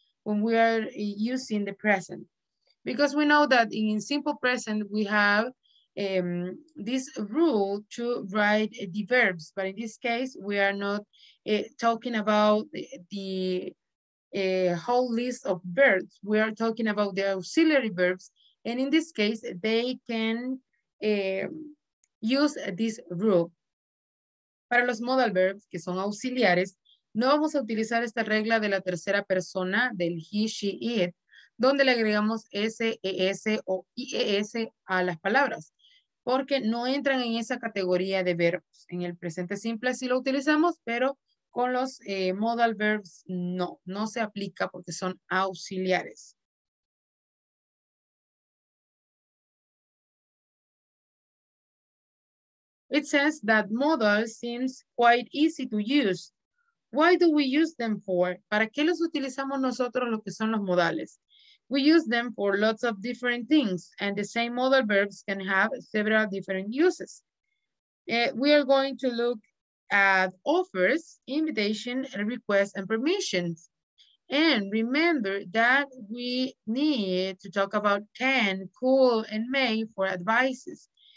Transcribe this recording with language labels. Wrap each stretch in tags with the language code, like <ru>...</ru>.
<en>When we are using the present. Because we know that in simple present, we have this rule to write the verbs. But in this case, we are not talking about the whole list of verbs. We are talking about the auxiliary verbs. And in this case, they can use this rule.</en> <es>Para los modal verbs, que son auxiliares, no vamos a utilizar esta regla de la tercera persona del he, she, it, donde le agregamos S, ES o IES a las palabras, porque no entran en esa categoría de verbos. En el presente simple sí lo utilizamos, pero con los modal verbs no, no se aplica porque son auxiliares.</es> <en>It says that model seems quite easy to use. Why do we use them for?</en> <es>¿Para qué los utilizamos nosotros lo que son los modales?</es> <en>We use them for lots of different things, and the same model verbs can have several different uses. We are going to look at offers, invitation, requests, and permissions. And remember that we need to talk about can, could, and may for advices.</en>